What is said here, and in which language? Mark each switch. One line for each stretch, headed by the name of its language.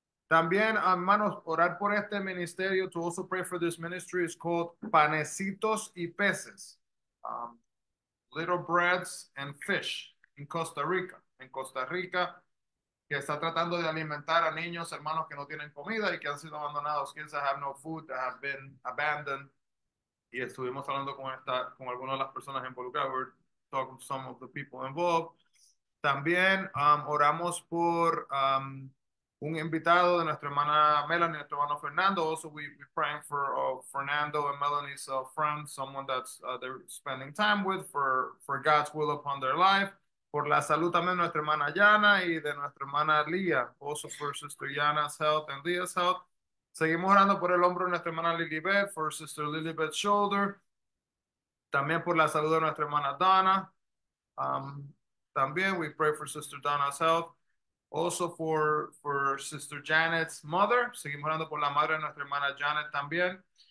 Spanish: También, hermanos, orar por este ministerio,
English: to also pray for this ministry, is called Panecitos y Peces. Little Breads and Fish in Costa Rica.
Spanish: En Costa Rica, que está tratando de alimentar a niños, hermanos, que no tienen comida y que han sido abandonados.
English: Kids that have no food, that have been abandoned.
Spanish: Y estuvimos hablando con algunas de las personas involucradas.
English: Talk to some of the people involved.
Spanish: También oramos por un invitado de nuestra hermana Melanie, nuestro hermano Fernando.
English: Also, we praying for Fernando and Melanie's friend, someone that's they're spending time with for God's will upon their life.
Spanish: Por la salud también de nuestra hermana Yana y de nuestra hermana Lia.
English: Also for Sister Yana's health and Lia's health.
Spanish: Seguimos orando por el hombro de nuestra hermana Lilibet,
English: for Sister Lilibet's shoulder.
Spanish: También por la salud de nuestra hermana Donna. También
English: we pray for Sister Donna's health. Also for Sister Janet's mother.
Spanish: Seguimos orando por la madre de nuestra hermana Janet también.